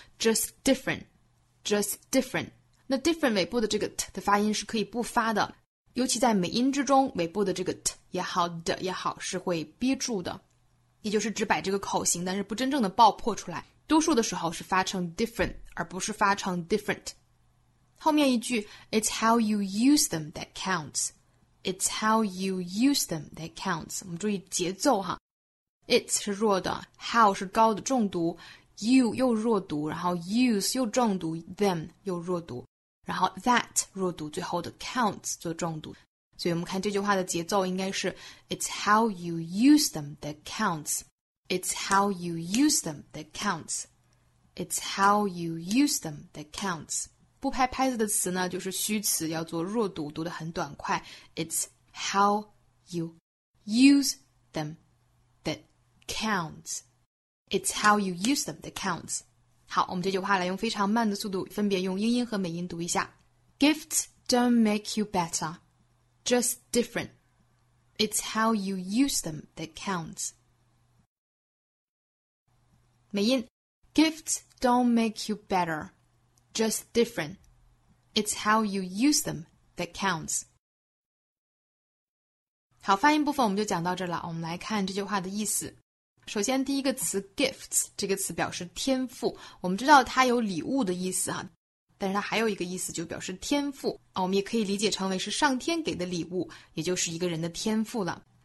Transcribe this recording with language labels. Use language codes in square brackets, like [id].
[en] just different [zh] 那 different 尾部的这个 t 的发音是可以不发的，尤其在美音之中，尾部的这个 t 也好 的也好是会憋住的，也就是只摆这个口型，但是不真正的爆破出来，多数的时候是发成 different 而不是发成 different。后面一句 [en] It's how you use them that counts. It's how you use them that counts. [zh] 我们注意节奏哈。 It's 是弱的， how 是高的重读， you 又弱读，然后 use 又重读， them 又弱读，然后 that 弱读，最后的 counts 做重读。所以我们看这句话的节奏应该是 [en] It's how you use them that counts. It's how you use them that counts. It's how you use them that counts. [zh] 不拍拍子的词呢，就是虚词，要做弱读，读得很短快。 [en] It's how you use them that counts. It's how you use them that counts. [zh] 好，我们这句话来用非常慢的速度，分别用英音和美音读一下。 [en] Gifts don't make you better, just different. It's how you use them that counts. [zh] 美音 [en] ,Gifts don't make you better. Just different. It's how you use them that counts. [zh] 好，发音部分我们就讲到这了。我们来看这句话的意思。首先第一个词 gifts 这个词表示天赋，我们知道它有礼物的意思啊，但是它还有一个意思就表示天赋啊，我们也可以理解成为是上天给的礼物，也就是一个人的天赋了。